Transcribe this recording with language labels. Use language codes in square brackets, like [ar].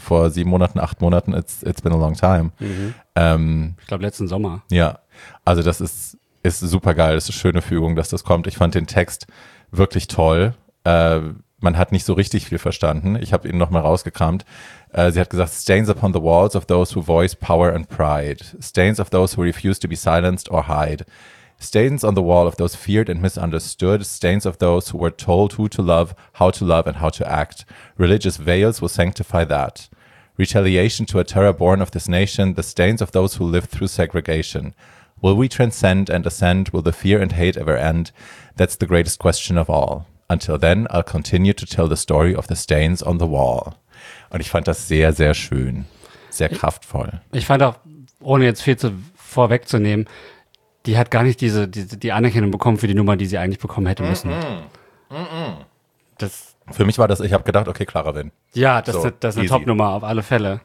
[de] Vor 7 Monaten, 8 Monaten? [en] It's been a long time. Mhm. [de] Ich glaube letzten Sommer. Ja, also das ist super geil, das ist eine schöne Fügung, dass das kommt. Ich fand den Text wirklich toll. Man hat nicht so richtig viel verstanden. Ich habe ihn nochmal rausgekramt. Sie hat gesagt, [en] stains upon the walls of those who voice power and pride. Stains of those who refuse to be silenced or hide. Stains on the wall of those feared and misunderstood. Stains of those who were told who to love and how to act. Religious veils will sanctify that. Retaliation to a terror born of this nation. The stains of those who lived through segregation. Will we transcend and ascend? Will the fear and hate ever end? That's the greatest question of all. Until then, I'll continue to tell the story of the stains on the wall. [de] Und ich fand das sehr, sehr schön. Sehr kraftvoll. Ich fand auch, ohne jetzt viel zu vorwegzunehmen, die hat gar nicht die Anerkennung bekommen für die Nummer, die sie eigentlich bekommen hätte müssen. Das, für mich war das, ich habe gedacht, okay, Clara Wynn. Ja, das ist eine Top-Nummer auf alle Fälle.